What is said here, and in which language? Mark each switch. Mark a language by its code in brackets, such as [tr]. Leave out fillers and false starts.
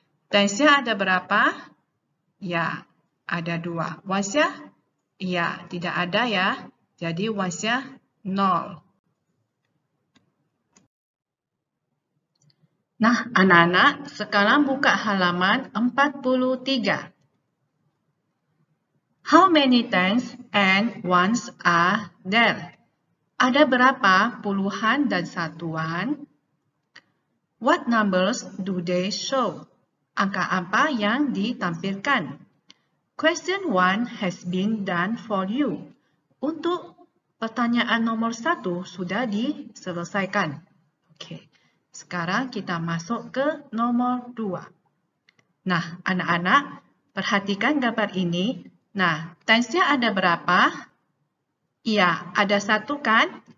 [id] Tensnya ada berapa? Ya, ada dua. Wattsnya? Ya, tidak ada ya. Jadi wattsnya 0. Nah, anak-anak, sekarang buka halaman 43. [en] How many tens and ones are there? [id] Ada berapa puluhan dan satuan? [en] What numbers do they show? [id] Angka apa yang ditampilkan? [en] Question 1 has been done for you. [id] Untuk pertanyaan nomor 1 sudah diselesaikan. Oke. Sekarang kita masuk ke nomor 2. Nah, anak-anak, perhatikan gambar ini. Nah, tensnya ada berapa? Iya, ada satu kan?